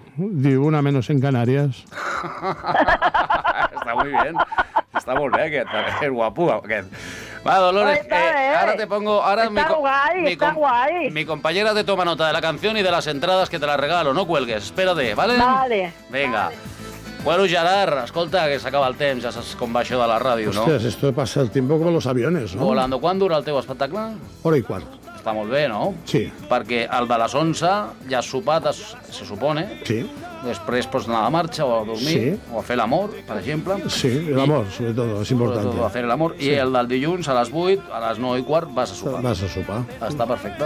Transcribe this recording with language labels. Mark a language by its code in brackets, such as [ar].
[es] Di una menos en Canarias. Está muy bien. Está muy bien, aquest. Es guapo, aquest. [ca] Va, Dolores, ara [es] te pongo... [ca] Ara [es] está guay, está guay. Mi compañera te toma nota de la canción y de las entradas que te las regalo. No cuelgues, espérate, ¿vale? Vale. Venga. Vale. [ca] Bueno, Gerard, escolta, que s'acaba el temps, ja saps com va això de la ràdio, no? [es] Hostias, esto pasa el tiempo como los aviones, ¿no? Volando. ¿Cuánto dura [ca] el teu espectacle? [es] Hora y cuarto. [ca] està molt bé, no? Sí. Perquè el de les 11 ja ha sopat, [es] se supone. [ca] Sí. Després pots anar a la marxa o a dormir. Sí. O a fer l'amor, per exemple. Sí, l'amor, sobretot, és important. Sobretot a fer l'amor. Sí. I el del dilluns a les 8, a les 9 i quart, vas a sopar. Vas a sopar. Està perfecte.